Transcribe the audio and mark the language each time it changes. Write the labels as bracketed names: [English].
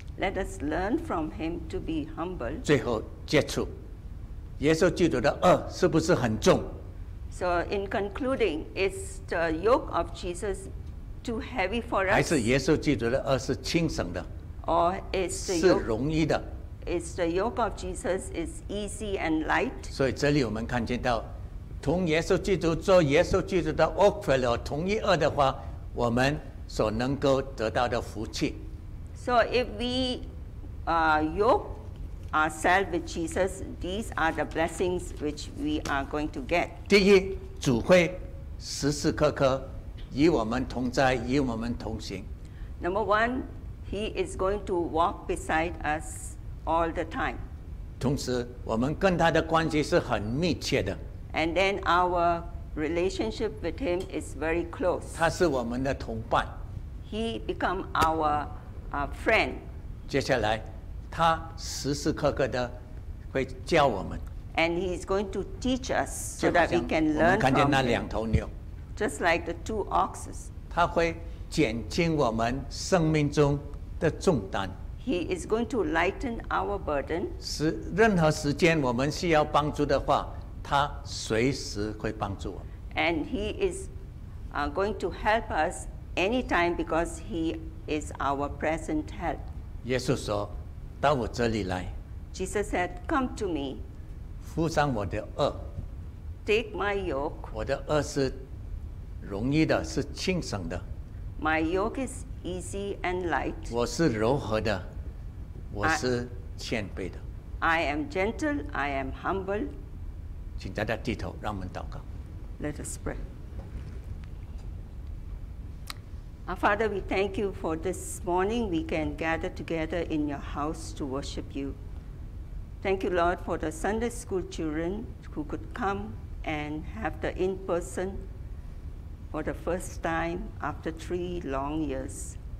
[English] Let us learn from him to be humble. [Chinese] 最后，接触。耶稣基督的轭是不是很重 [English] ？So in concluding, is the yoke of Jesus too heavy for us? [Chinese] 还是耶稣基督的轭是轻省的 [English] ？Or is the yoke [Chinese] 是容易的 [English] ？Is the yoke of Jesus is easy and light? [Chinese] 所以这里我们看见到，同耶稣基督做耶稣基督的轭夫了，同一轭的话，我们所能够得到的福气。 [English] So if we yoke ourselves with Jesus, these are the blessings which we are going to get. [Chinese] 第一，主会时时刻刻与我们同在，与我们同行。 [English] Number one, He is going to walk beside us all the time. [Chinese] 同时，我们跟他的关系是很密切的。 [English] And then our relationship with Him is very close. [Chinese] 他是我们的同伴。 [English] He become our friend. [Chinese] 接下来。他时时刻刻的会教我们 [English] ，and he's going to teach us so that we can learn from him. [Chinese] 看见那两头牛 [English] ，just like the two oxes. [Chinese] 他会减轻我们生命中的重担 [English] ，he is going to lighten our burden. [Chinese] 是任何时间我们需要帮助的话，他随时会帮助我们 [English] ，and he is going to help us anytime because he is our present help. [Chinese] 耶稣说。到我这里来 [English] Jesus said, come to me. [Chinese] 负上我的轭 [English] Take my yoke. [Chinese] 我的轭是容易的是轻省的 [English] My yoke is easy and light. [Chinese] 我是柔和的我是谦卑的 [English] I am gentle, I am humble. [Chinese] 请大家低头让我们祷告 [English] Let us pray. Our Father, we thank you for this morning we can gather together in your house to worship you. Thank you, Lord, for the Sunday school children who could come and have the in-person for the first time after 3 long years.